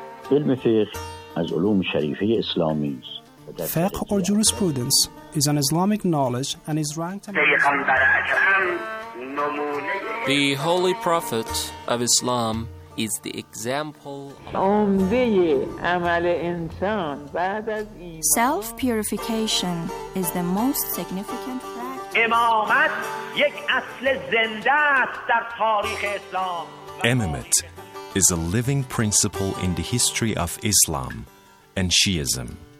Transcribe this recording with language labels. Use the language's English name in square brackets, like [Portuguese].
[Persian] علم فقه از علوم شریفه اسلامی است. [English] فقه or jurisprudence is an Islamic knowledge and is ranked The holy prophet of Islam is the example of Self-purification is the most significant factor. [Persian] امامت یک اصل زنده است در تاریخ اسلام. [English] امامت is a living principle in the history of Islam and Shiism.